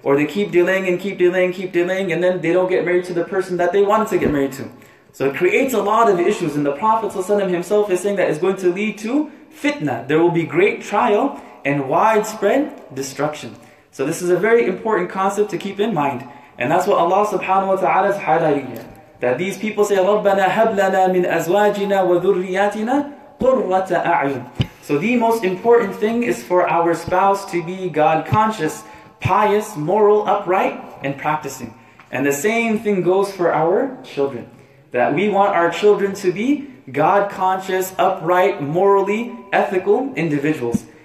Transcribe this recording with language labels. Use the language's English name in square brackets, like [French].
[English] Or they keep delaying and keep delaying, keep delaying, and then they don't get married to the person that they wanted to get married to. So it creates a lot of issues, and the Prophet ﷺ himself is saying that it's going to lead to fitna. There will be great trial and widespread destruction. So this is a very important concept to keep in mind. And that's what Allah subhanahu wa ta'ala is highlighting here. That these people say, [Arabic] رَبَّنَا هَبْ لَنَا مِنْ أَزْوَاجِنَا وَذُرِّيَاتِنَا قُرَّةَ أَعْيُنٍ. [English] So the most important thing is for our spouse to be God-conscious, pious, moral, upright, and practicing. And the same thing goes for our children. That we want our children to be God-conscious, upright, morally, ethical individuals.